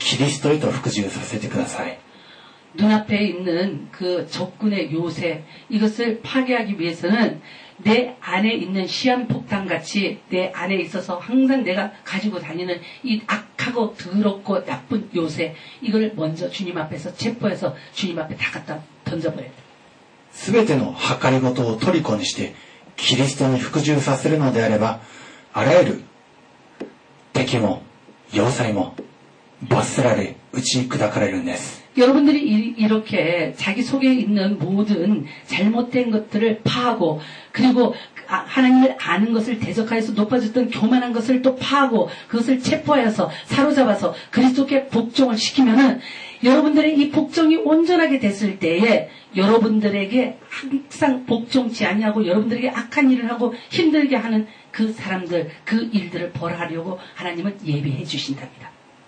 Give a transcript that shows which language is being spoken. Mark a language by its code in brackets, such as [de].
[ja] まずそのためには自分自身の身勝手な理屈とかイマジネーションを自ら破棄して、そしてキリストへと服従させてください。 [ko] 눈앞에 있는 그 적군의 요새 이것을 파괴하기 위해서는 내 안에 있는 시한폭탄같이 내 안에 있어서 항상 내가 가지고 다니는 이 악하고 더럽고 나쁜 요새 이걸 먼저 주님 앞에서 체포해서 주님 앞에 다 갖다 던져버려야 돼. [ja] 全ての計りごとをトリコにしてキリストに服従させるのであれば、あらゆる敵も要塞も罰せられ打ち砕かれるんです。 [ko] 여러분들이이렇게자기속에있는모든잘못된것들을파하고그리고하나님을아는것을대적하여서높아졌던교만한것을또파하고그것을체포하여서사로잡아서그리스도께복종을시키면은여러분들의이복종이온전하게됐을때에여러분들에게항상복종지아니하고여러분들에게악한일을하고힘들게하는그사람들그일들을벌하려고하나님은예비해주신답니다